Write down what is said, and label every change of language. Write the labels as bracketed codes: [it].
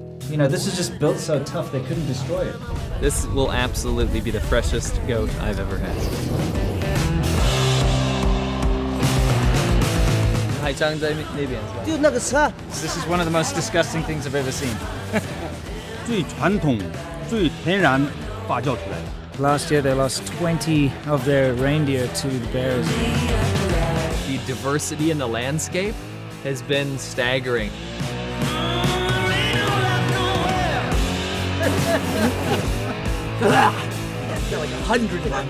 [en] You know, this is just built so tough they couldn't destroy it. This will absolutely be the freshest goat I've ever had. [zh] 海章在那边是吧? [en] This is one of the most disgusting things I've ever seen. [zh] 最传统、最天然发酵出来的。 [en] Last year they lost 20 of their reindeer to the bears. The diversity in the landscape has been staggering. Like 100